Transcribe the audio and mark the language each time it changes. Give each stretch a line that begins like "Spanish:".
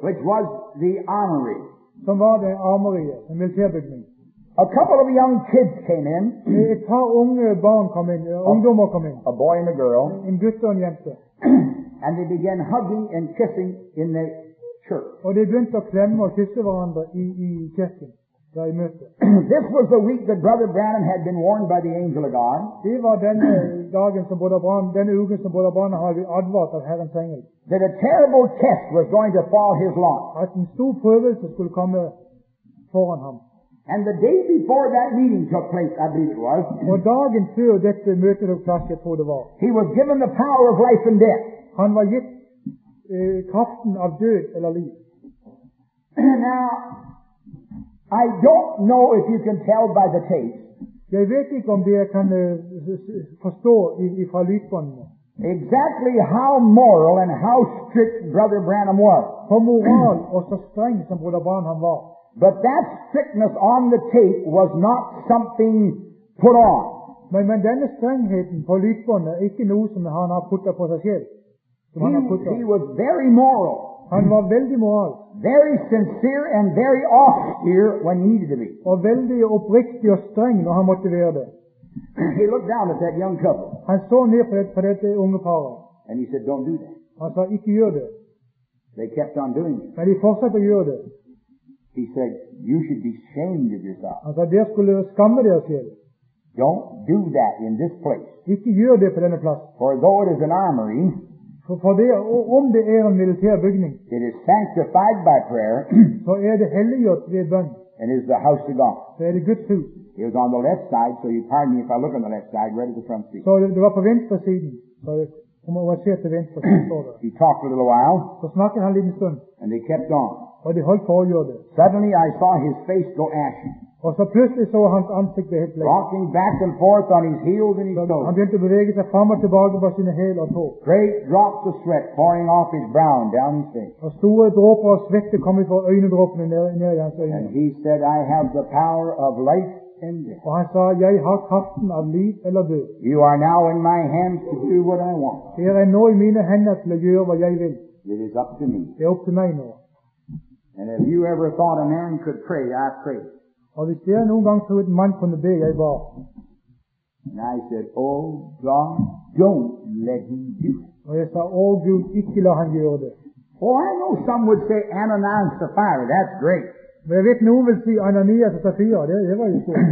English: Which was the armory.
Norwegian: Som var det armeriet, en militærbygning.
English: A couple of young kids came in.
Norwegian: Et par unge barn kom inn, ungdommer kom inn.
English: A boy and a girl.
Norwegian: En gutt og en jente.
English: And they began hugging and kissing in the church.
Norwegian: Og de begynte å klemme og kysse hverandre i kirken, der i møtet.
English: This was the week that Brother Branham had been warned by the angel of God.
Norwegian: Det var denne dagen som Brother Branham, denne uken som Brother Branham hadde advart av Herrens engel.
English: That a terrible test was going to fall his lot.
Norwegian: At en stor prøvelse skulle komme foran ham.
English: And the day before that meeting took place, I believe it was.
Norwegian: Og dagen før dette møtet tok plass, jeg tror det var.
English: He was given the power of life and death.
Norwegian: Han var gitt kraften av død eller liv.
English: Now, I don't know if you can tell by the tapes.
Norwegian: Jeg vet ikke om dere kan forstå fra lydbåndene.
English: Exactly how moral and how strict Brother Branham was.
Swedish: Hur moral och så sträng som Brother Branham var.
English: But that strictness on the tape was not something put on.
Swedish: Men denna strängheten på lydbåndet är inte något som han har puttat på sig själv.
English: He was very moral.
Swedish: Han var väldigt moral.
English: Very sincere and very austere when he needed to be.
Swedish: Och väldigt uppriktig och sträng när han måste vara det.
English: He looked down at that young couple.
Norwegian: Han så ned på dette unge paret.
English: And he said, "Don't do that."
Norwegian: Han sa, "Ikke gjør det."
English: They kept on doing it.
Norwegian: Men de fortsatte å gjøre det.
English: He said, "You should be ashamed of yourself."
Norwegian: Han sa, "Dere skulle skamme dere selv."
English: Don't do that in this place.
Norwegian: Ikke gjør det på denne plass.
English: For though it is an armory,
Norwegian: for det, om det en militær bygning,
English: it is sanctified by prayer.
Norwegian: Så det helliggjort ved bønn.
English: And is the house of God.
Norwegian: Så det Guds hus.
English: It was on the left side, so you pardon me if I look on the left side, right at the front seat. So it was
Norwegian: på venstre siden.
English: So it was
Norwegian: here at the venstre side.
English: He talked a little while.
Norwegian: Så snakket han liten stund.
English: And they kept on.
Norwegian: Og de holdt på å gjøre det.
English: Suddenly I saw his face go ashy.
Norwegian: Og så plutselig så hans ansikt ble helt blekt.
English: Rocking back and forth on his heels and his toes.
Norwegian: Han begynte å bevege seg frem og tilbake på sine hæl og tå.
English: Great drops of sweat pouring off his brow down his face.
Norwegian: Og store dråper av svette kom fra øynedråpene ned i hans øyne.
English: And he said, "I have the power of life
Norwegian: jeg har kraften av liv eller død.
English: You are now in my hands to do what I want.
Norwegian: Her nå i mine hender til å gjøre hva jeg vil.
English: It is up to me.
Norwegian: Det opp til meg nå.
English: And if you ever thought a man could pray, I pray.
Norwegian: Og hvis dere noen gang tror at en mann kunne be, jeg ba.
English: And I said, oh God, don't let him do it.
Norwegian: Og jeg sa, oh Gud, ikke la han gjøre det.
English: Oh, I know some would say Ananias and Sapphira, that's great.
Norwegian: Men jeg vet noen vil si Ananias og Sapphira, det var jo stort.